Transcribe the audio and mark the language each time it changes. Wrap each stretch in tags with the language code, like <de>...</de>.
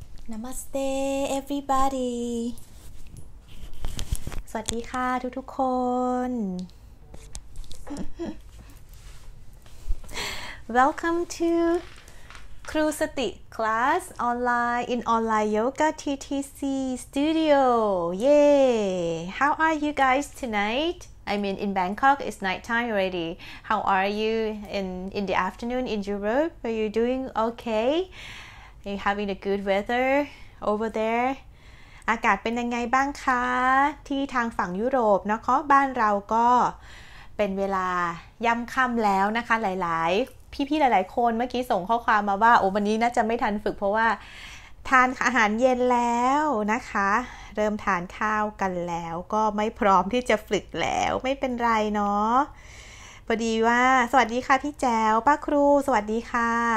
<en>นามัสเต้ everybody</en> <th>สวัสดีค่ะทุกๆคน</th> <en>Welcome to ครูสติ class online in online yoga TTC studio Yay! How are you guys tonight? I mean in Bangkok it's night time already. How are you in the afternoon in Europe? Are you doing okay? Are you having a good weather over there?</en> <th>อากาศเป็นยังไงบ้างคะที่ทางฝั่งยุโรปนะคะบ้านเราก็เป็นเวลาย่ำค่ำแล้วนะคะหลายๆพี่ๆหลายๆคนเมื่อกี้ส่งข้อความมาว่าโอ้วันนี้น่าจะไม่ทันฝึกเพราะว่าทานอาหารเย็นแล้วนะคะเริ่มทานข้าวกันแล้วก็ไม่พร้อมที่จะฝึกแล้วไม่เป็นไรเนาะพอดีว่าสวัสดีค่ะพี่แจวป้าครูสวัสดีค่ะ</th>